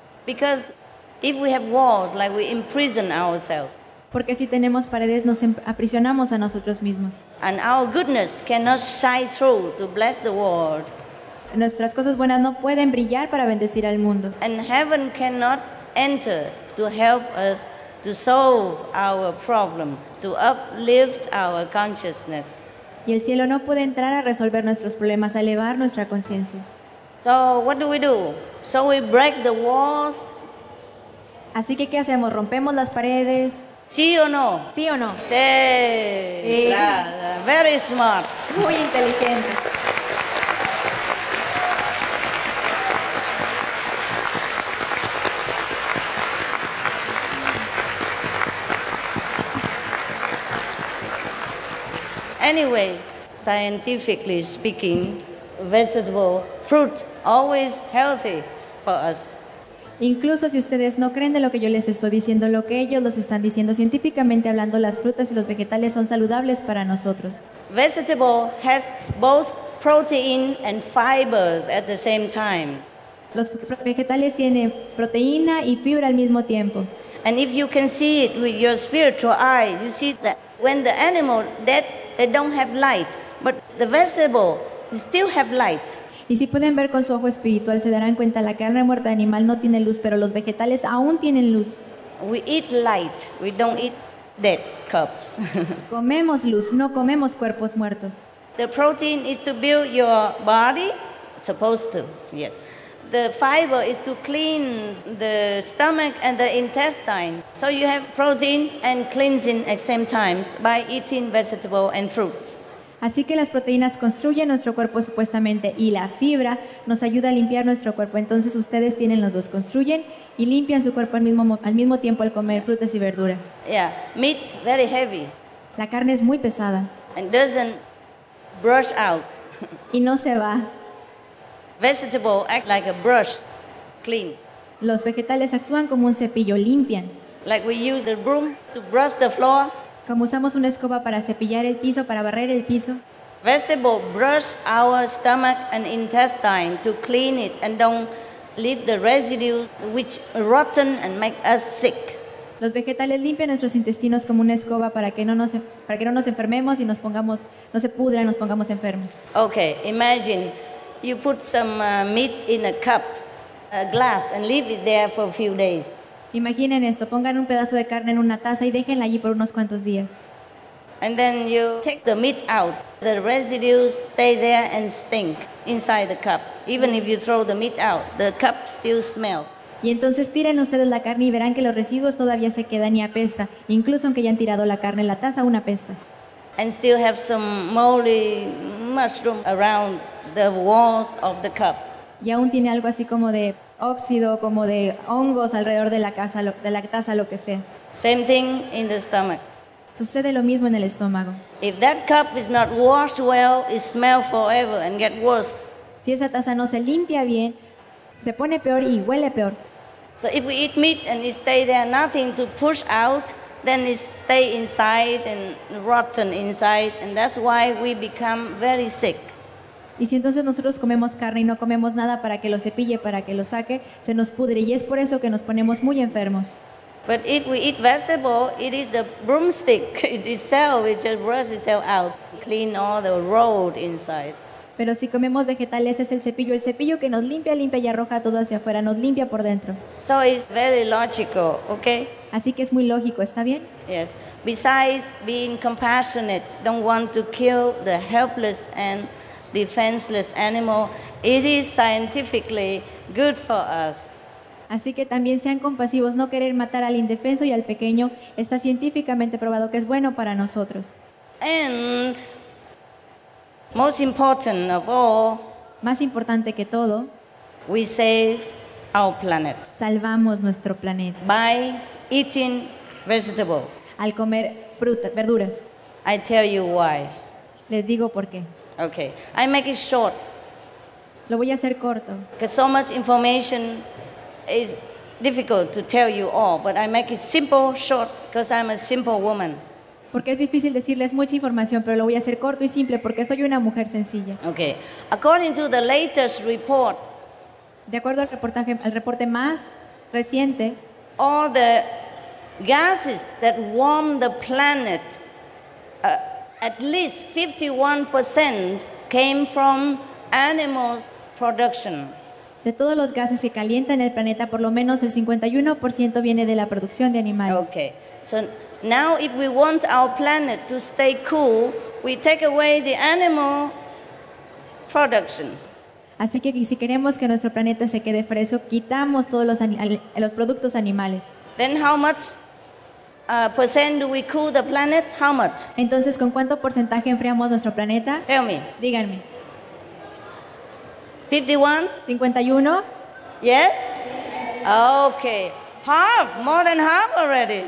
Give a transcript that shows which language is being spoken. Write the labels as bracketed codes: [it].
[en] Because if we have walls, like we imprison ourselves. [es] Porque si tenemos paredes, nos aprisionamos a nosotros mismos. [en] And our goodness cannot shine through to bless the world. [es] Nuestras cosas buenas no pueden brillar para bendecir al mundo. [en] And heaven cannot enter to help us to solve our problem, to uplift our consciousness. [es] Y el cielo no puede entrar a resolver nuestros problemas, a elevar nuestra conciencia. [en] So what do? So we break the walls. [es] Así que ¿qué hacemos? ¿Rompemos las paredes? ¿Sí o no? ¿Sí o no? Sí. Sí. [en] Very smart. [es] Muy inteligente. [en] Anyway, scientifically speaking, vegetable fruit always healthy for us. [es] Incluso si ustedes no creen de lo que yo les estoy diciendo, lo que ellos los están diciendo, científicamente hablando, las frutas y los vegetales son saludables para nosotros. [en] Vegetable has both protein and fibers at the same time. [es] Los vegetales tienen proteína y fibra al mismo tiempo. [en] And if you can see it with your spiritual eye, you see that when the animal dead, they don't have light, but the vegetable still have light. [es] Y si pueden ver con su ojo espiritual, se darán cuenta la carne muerta de animal no tiene luz, pero los vegetales aún tienen luz. [en] We eat light, we don't eat dead cups. [es] Comemos luz, no comemos cuerpos muertos. [en] The protein is to build your body, supposed to, yes. The fiber is to clean the stomach and the intestine. So you have protein and cleansing at the same time by eating vegetables and fruits. [es] Así que las proteínas construyen nuestro cuerpo supuestamente y la fibra nos ayuda a limpiar nuestro cuerpo. Entonces ustedes tienen los dos, construyen y limpian su cuerpo al mismo tiempo al comer frutas y verduras. [en] Yeah, meat very heavy. [es] La carne es muy pesada. [en] And doesn't brush out. [es] Y no se va. [en] Vegetable act like a brush, clean. [es] Los vegetales actúan como un cepillo, limpian. [en] Like we use a broom to brush the floor. [es] Como usamos una escoba para cepillar el piso, para barrer el piso. [en] Vegetable brush our stomach and intestine to clean it and don't leave the residue which rotten and make us sick. [es] Los vegetales limpian nuestros intestinos como una escoba para que no nos enfermemos y no se pudra y nos pongamos enfermos. [en] Okay, imagine you put some meat in a cup, a glass, and leave it there for a few days. [es] Imaginen esto, pongan un pedazo de carne en una taza y déjenla allí por unos cuantos días. [en] And then you take the meat out. The residues stay there and stink inside the cup. Even if you throw the meat out, the cup still smells. [es] Y entonces tiren ustedes la carne y verán que los residuos todavía se quedan y apesta. Incluso aunque hayan tirado la carne en la taza, aún apesta. [en] And still have some moldy mushroom around the walls of the cup. [es] Y aún tiene algo así como de óxido, como de hongos alrededor de la casa, de la taza, lo que sea. [en] Same thing in the stomach. [es] Sucede lo mismo en el estómago. [en] If that cup is not washed well, it smells forever and get worse. [es] Si esa taza no se limpia bien, se pone peor y huele peor. [en] So if we eat meat and it stay there, nothing to push out, then it stay inside and rotten inside, and that's why we become very sick. [es] Y si entonces nosotros comemos carne y no comemos nada para que lo cepille, para que lo saque, se nos pudre y es por eso que nos ponemos muy enfermos. [en] But if we eat vegetable, it is the broomstick itself, it just brushes itself out, clean all the road inside. [es] Pero si comemos vegetales es el cepillo que nos limpia y arroja todo hacia afuera, nos limpia por dentro. [en] So it's very logical, okay? [es] Así que es muy lógico, ¿está bien? [en] Yes. Besides being compassionate, don't want to kill the helpless and defenseless animal, it is scientifically good for us. [es] Así que también sean compasivos, no querer matar al indefenso y al pequeño, está científicamente probado que es bueno para nosotros. [en] And most important of all, [es] más importante que todo, [en] we save our planet. [es] Salvamos nuestro planeta. [en] By eating vegetable. [es] Al comer frutas, verduras. [en] I tell you why. [es] Les digo por qué. [en] Okay, I make it short. [es] Lo voy a hacer corto. [en] Because so much information is difficult to tell you all, but I make it simple, short, because I'm a simple woman. [es] Porque es difícil decirles mucha información, pero lo voy a hacer corto y simple porque soy una mujer sencilla. [en] Okay, according to the latest report. [es] De acuerdo al reporte más reciente. [en] All the gases that warm the planet. At least 51% came from animals production. [es] De todos los gases que calientan el planeta, por lo menos el 51% viene de la producción de animales. [en] Okay. So now if we want our planet to stay cool, we take away the animal production. [es] Así que si queremos que nuestro planeta se quede fresco, quitamos todos los productos animales. [en] Then how much percent do we cool the planet? How much? [es] Entonces, ¿con cuánto porcentaje enfriamos nuestro planeta? [en] Tell me. [es] Díganme. [en] 51? Yes? Okay. Half, more than half already.